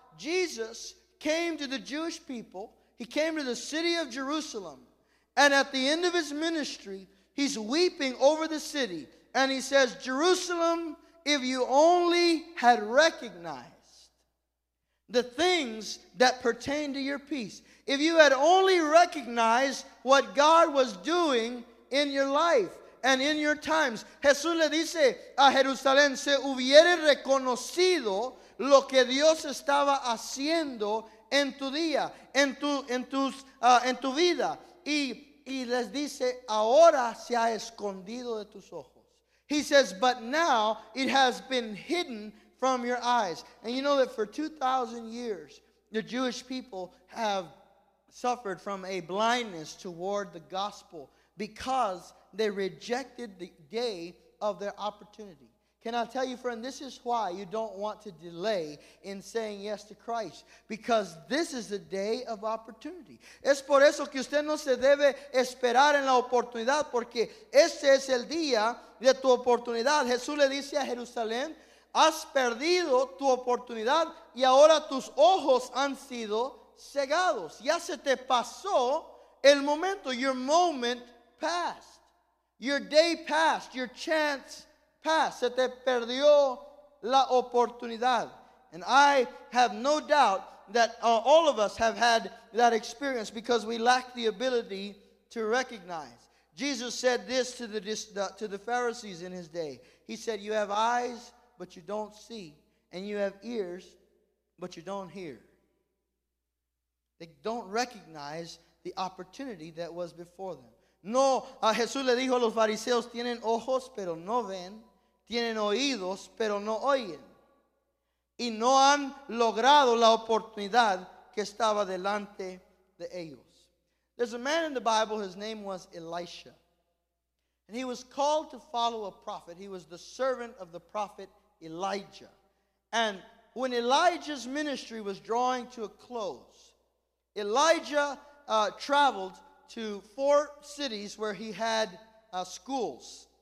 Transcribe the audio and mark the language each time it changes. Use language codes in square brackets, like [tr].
[en] Jesus came to the Jewish people. He came to the city of Jerusalem, and at the end of his ministry, he's weeping over the city, and he says, Jerusalem, if you only had recognized the things that pertain to your peace, if you had only recognized what God was doing in your life and in your times. [es] Jesús le dice a Jerusalén, se hubiera reconocido lo que Dios estaba haciendo en tu día, en tu vida. Y les dice, ahora se ha escondido de tus ojos. [en] He says, but now it has been hidden from your eyes. And you know that for 2,000 years, the Jewish people have suffered from a blindness toward the gospel because they rejected the day of their opportunity. Can I tell you, friend, this is why you don't want to delay in saying yes to Christ. Because this is the day of opportunity. [es] Es por eso que usted no se debe esperar en la oportunidad, porque ese es el día de tu oportunidad. Jesús le dice a Jerusalén, has perdido tu oportunidad y ahora tus ojos han sido cegados. Ya se te pasó el momento. [en] Your moment passed. [es] Your day passed. Your chance passed. Past, se te perdió la oportunidad. [en] And I have no doubt that all of us have had that experience because we lack the ability to recognize. Jesus said this to the Pharisees in his day. He said, you have eyes, but you don't see. And you have ears, but you don't hear. They don't recognize the opportunity that was before them. [es] No, a Jesús le dijo a los fariseos, tienen ojos, pero no ven. Tienen oídos, pero no oyen. Y no han logrado la oportunidad que estaba delante de ellos. [en] There's a man in the Bible, his name was Elisha. And he was called to follow a prophet. He was the servant of the prophet Elijah. And when Elijah's ministry was drawing to a close, Elijah traveled to four cities where he had schools.